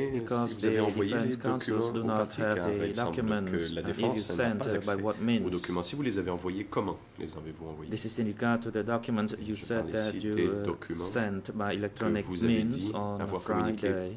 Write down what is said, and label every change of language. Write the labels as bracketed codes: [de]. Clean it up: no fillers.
[en] Because the defense counsels do not have the documents. If you sent, by what means? [fr] Aux documents. Si vous les avez envoyés, comment les avez-vous envoyés? [en] This is in regard to the documents you said that you sent by electronic means on Friday.